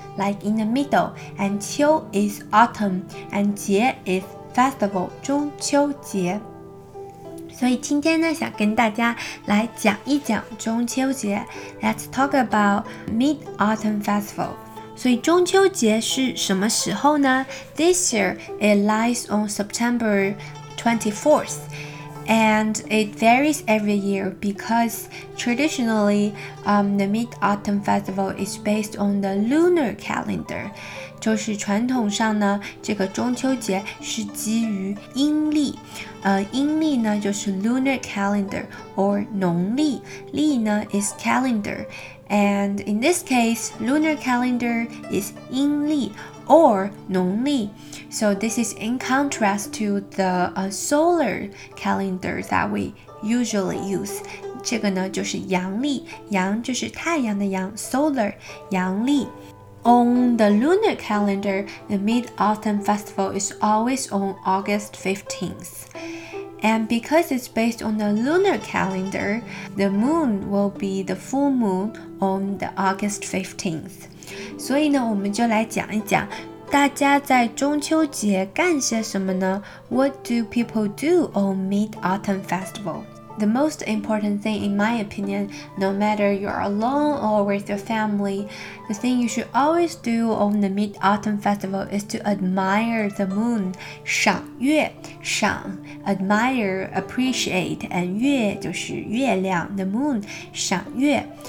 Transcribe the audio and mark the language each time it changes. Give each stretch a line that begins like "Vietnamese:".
English: Like in the middle, and 秋 is autumn, and 节 is festival, 中秋节。
Chinese: 所以今天呢，想跟大家来讲一讲中秋节。
English: Let's talk about Mid-Autumn Festival.
Chinese: 所以中秋节是什么时候呢？
English: This year, it lies on September 24th. And it varies every year because traditionally, the Mid-Autumn Festival is based on the lunar calendar.
Chinese: 就是传统上呢，这个中秋节是基于阴历。阴历呢就是
English: lunar calendar
Chinese: or 农历。历呢
English: is calendar. And in this case, lunar calendar is
Chinese: 阴历or 农历。
English: So this is in contrast to the solar calendar that we usually use.
Chinese: 这个呢就是阳历，阳就是太阳的阳 ，solar 阳历。
English: On the lunar calendar, the Mid-Autumn Festival is always on August 15th. And because it's based on the lunar calendar, the moon will be the full moon on the August 15th.
Chinese: 所以呢，我们就来讲一讲。大家在中秋节干些什么呢?
English: What do people do on Mid-Autumn Festival? The most important thing in my opinion, no matter you're alone or with your family, the thing you should always do on the Mid-Autumn Festival is to admire the moon, 赏月, 赏, admire, appreciate, and
Chinese: 月就是月亮,
English: the moon, 赏月.